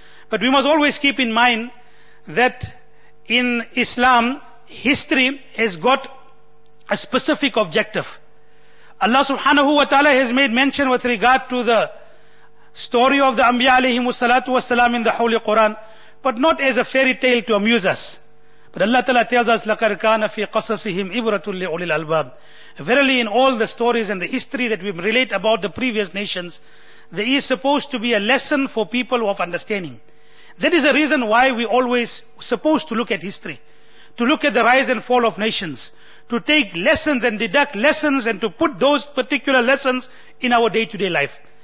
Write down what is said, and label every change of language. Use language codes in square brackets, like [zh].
[en] But we must always keep in mind that in Islam, history has got a specific objective. Allah subhanahu wa ta'ala has made mention with regard to the story of the Anbiya alayhimu salatu wasalam in the Holy Quran, but not as a fairy tale to amuse us. But Allah ta'ala tells us, [ar] لَقَدْ كَانَ فِي قَصَصِهِمْ عِبْرَةٌ لِأُولِي الْأَلْبَابِ. [en] Verily in all the stories and the history that we relate about the previous nations, there is supposed to be a lesson for people of understanding. That is the reason why we always supposed to look at history, to look at the rise and fall of nations, to take lessons and deduct lessons and to put those particular lessons in our day-to-day life.